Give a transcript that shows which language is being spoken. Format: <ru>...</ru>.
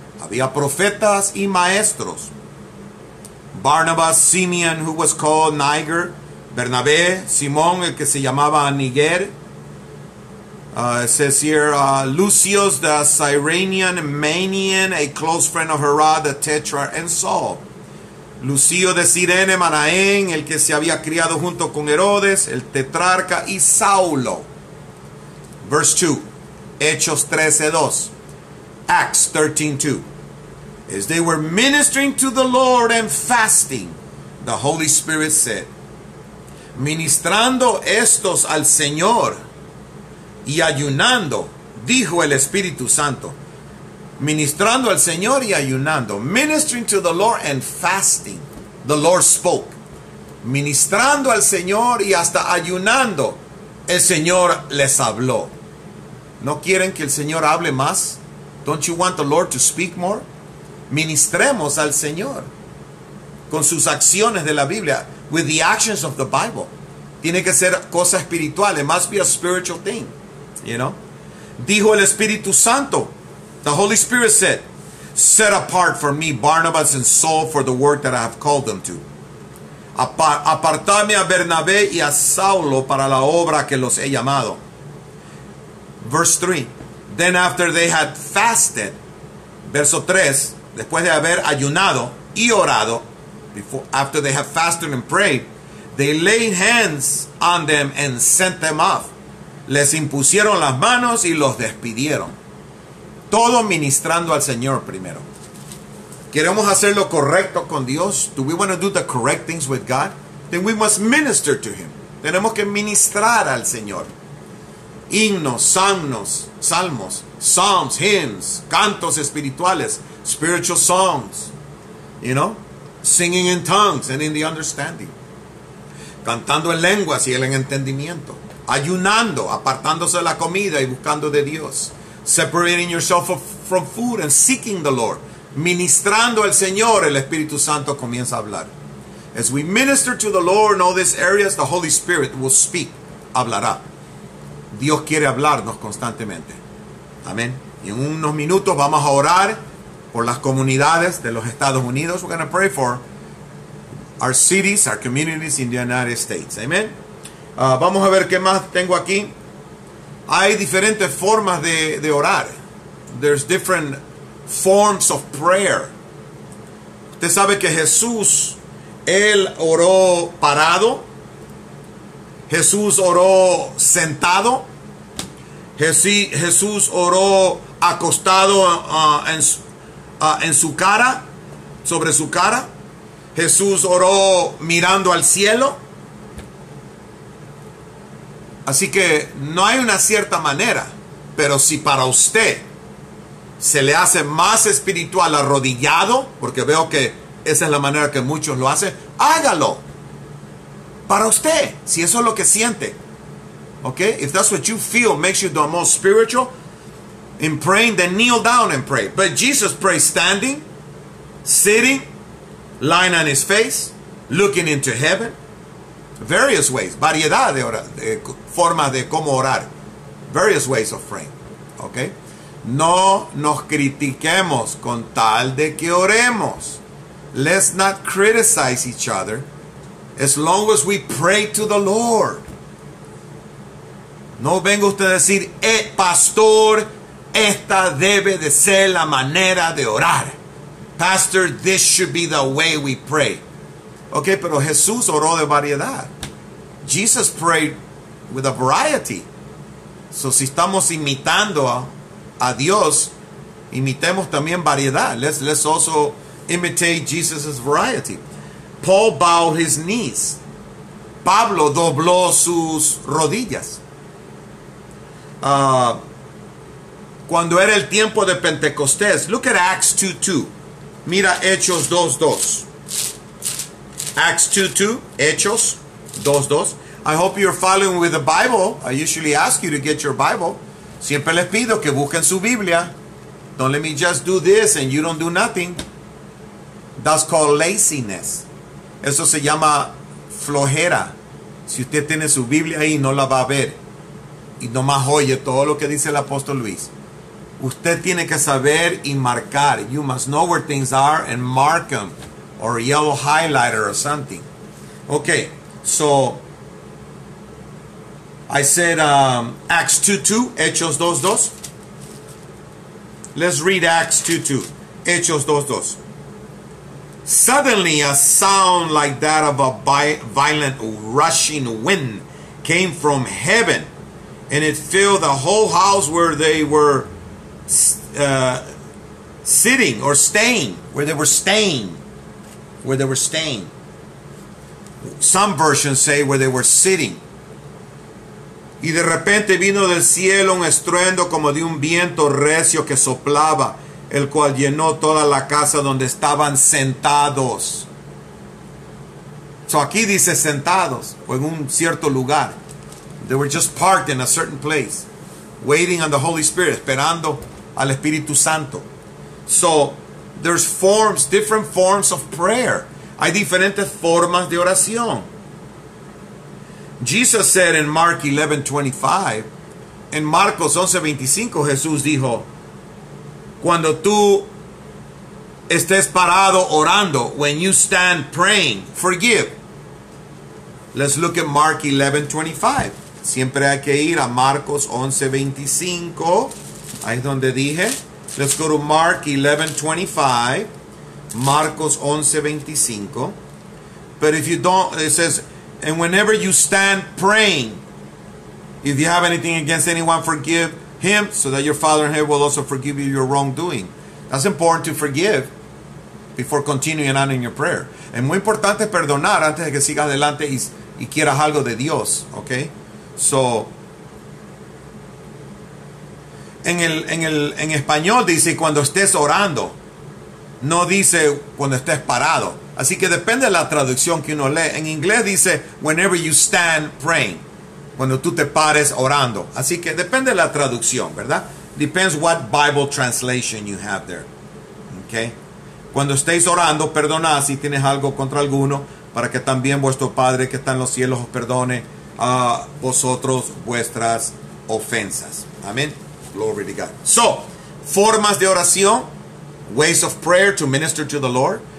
<es>Había profetas y maestros. Barnabas, Simeon,</es> <en>who was called Niger,</en> <es>Bernabé, Simón, el que se llamaba Niger.</es> <en>It says here, Lucius, the Cyrenian, Manian, a close friend of Herod, the Tetrarch, and Saul.</en> <es>Lucio de Cirene, Manaén, el que se había criado junto con Herodes, el Tetrarca, y Saulo.</es> <en>Verse 2, Hechos 13:2, Acts 13:2. As they were ministering to the Lord and fasting, the Holy Spirit said,</en> <es>ministrando estos al Señor y ayunando, dijo el Espíritu Santo, ministrando al Señor y ayunando,</es> <en>ministering to the Lord and fasting, the Lord spoke.</en> <es>Ministrando al Señor y hasta ayunando, el Señor les habló. ¿No quieren que el Señor hable más?</es> <en>Don't you want the Lord to speak more?</en> <es>Ministremos al Señor con sus acciones de la Biblia,</es> <en>with the actions of the Bible.</en> <es>Tiene que ser cosa espiritual.</es> <en>It must be a spiritual thing, you know.</en> <es>Dijo el Espíritu Santo,</es> <en>the Holy Spirit said, set apart for me Barnabas and Saul for the work that I have called them to.</en> <es>Apartame a Bernabé y a Saulo para la obra que los he llamado.</es> <en>Verse 3. Then after they had fasted,</en> <es>verso 3, después de haber ayunado y orado,</es> <en>before, after they have fasted and prayed, they laid hands on them and sent them off.</en> <es>Les impusieron las manos y los despidieron. Todo ministrando al Señor primero. Queremos hacer lo correcto con Dios.</es> <en>Do we want to do the correct things with God? Then we must minister to Him.</en> <es>Tenemos que ministrar al Señor. Himnos, salmos, salmos,</es> <en>psalms, hymns,</en> <es>cantos espirituales,</es> <en>spiritual songs, you know? Singing in tongues and in the understanding.</en> <es>Cantando en lenguas y en entendimiento. Ayunando, apartándose de la comida y buscando de Dios.</es> <en>Separating yourself from food and seeking the Lord.</en> <es>Ministrando al Señor, el Espíritu Santo comienza a hablar.</es> <en>As we minister to the Lord in all these areas, the Holy Spirit will speak, hablará.</en> <es>Dios quiere hablarnos constantemente. Amén. Y en unos minutos vamos a orar por las comunidades de los Estados Unidos.</es> <en>We're going to pray for our cities, our communities in the United States.</en> <es>Amén. Vamos a ver qué más tengo aquí. Hay diferentes formas de orar.</es> <en>There's different forms of prayer.</en> <es>Usted sabe que Jesús, Él oró parado. Jesús oró sentado. Jesús oró acostado en su cara, sobre su cara. Jesús oró mirando al cielo. Así que no hay una cierta manera, pero si para usted se le hace más espiritual arrodillado, porque veo que esa es la manera que muchos lo hacen, hágalo. Para usted, si eso es lo que siente.</es> <en>Okay? If that's what you feel makes you the most spiritual in praying, then kneel down and pray. But Jesus prayed standing, sitting, lying on his face, looking into heaven. Various ways,</en> <es>variedad de formas de cómo orar.</es> <en>Various ways of praying. Okay?</en> <es>No nos critiquemos con tal de que oremos.</es> <en>Let's not criticize each other as long as we pray to the Lord.</en> <es>No venga usted a decir, pastor, esta debe de ser la manera de orar.</es> <en>Pastor, this should be the way we pray. Okay,</en> <es>pero Jesús oró de variedad.</es> <en>Jesus prayed with a variety.</en> <es>So si estamos imitando a Dios, imitemos también variedad.</es> <en>Let's also imitate Jesus' variety. Paul bowed his knees.</en> <es>Pablo dobló sus rodillas. Cuando era el tiempo de Pentecostés,</es> <en>look at Acts 2:2.</en> <es>Mira Hechos 2:2. Acts 2:2, Hechos 2:2.</es> <en>I hope you're following with the Bible. I usually ask you to get your Bible.</en> <es>Siempre les pido que busquen su Biblia.</es> <en>Don't let me just do this and you don't do nothing. That's called laziness.</en> <es>Eso se llama flojera. Si usted tiene su Biblia ahí, no la va a ver. Y nomás oye todo lo que dice el apóstol Luis. Usted tiene que saber y marcar.</es> <en>You must know where things are and mark them. Or a yellow highlighter or something. Okay, so I said Acts 2:2, Hechos 2:2. Let's read Acts 2:2, Hechos 2:2. Suddenly a sound like that of a violent rushing wind came from heaven, and it filled the whole house where they were sitting or staying, where they were staying. some versions say where they were sitting.</en> <es>Y de repente vino del cielo un estruendo como de un viento recio que soplaba, el cual llenó toda la casa donde estaban sentados. So aquí dice sentados, o en un cierto lugar.</es> <en>They were just parked in a certain place, waiting on the Holy Spirit,</en> <es>esperando al Espíritu Santo.</es> <en>So there's forms, different forms of prayer.</en> <es>Hay diferentes formas de oración.</es> <en>Jesus said in Mark 11:25,</en> <es>en Marcos 11:25, Jesús dijo, cuando tú estés parado orando,</es> <en>when you stand praying, forgive. Let's look at Mark 11:25.</en> <es>Siempre hay que ir a Marcos 11:25. Ahí es donde dije.</es> <en>Let's go to Mark 11:25. Marcos 11:25. But if you don't, it says, and whenever you stand praying, if you have anything against anyone, forgive him, so that your Father in heaven will also forgive you your wrongdoing. That's important to forgive before continuing on in your prayer.</en> <es>Es muy importante perdonar antes de que sigas adelante y quieras algo de Dios, okay? So, en español dice cuando estés orando, no dice cuando estés parado. Así que depende de la traducción que uno lee. En inglés dice</es> <en>whenever you stand praying,</en> <es>cuando tú te pares orando. Así que depende de la traducción, ¿verdad?</es> <en>Depends what Bible translation you have there.</en> <es>Okay. Cuando estéis orando, perdona si tienes algo contra alguno, para que también vuestro Padre que está en los cielos os perdone a vosotros vuestras ofensas. Amén.</es> <en>Glory to God.</en> <es>So, formas de oración.</es> <en>Ways of prayer to minister to the Lord.</en>